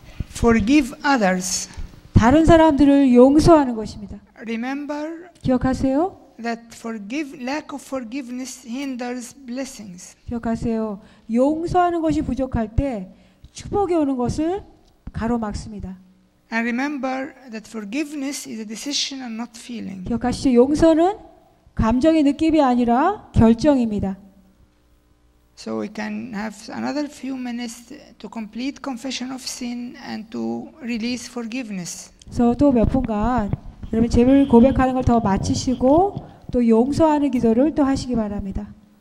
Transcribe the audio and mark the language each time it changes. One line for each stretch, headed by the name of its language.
English: Forgive others.
Korean: 다른 사람들을 용서하는 것입니다.
English: Remember.
Korean: 기억하세요.
English: That lack of forgiveness hinders blessings.
Korean: 기억하세요. 용서하는 것이 부족할 때 축복이 오는 것을 가로막습니다.
English: And remember that forgiveness is a decision and not feeling.
Korean: 기억하시죠. 용서는 감정의 느낌이 아니라 결정입니다.
English: So we can have another few minutes to complete confession of sin and to release forgiveness.
Korean: So 또 몇 분간 여러분 죄를 고백하는 걸 더 마치시고 또 용서하는 기도를 또 하시기 바랍니다.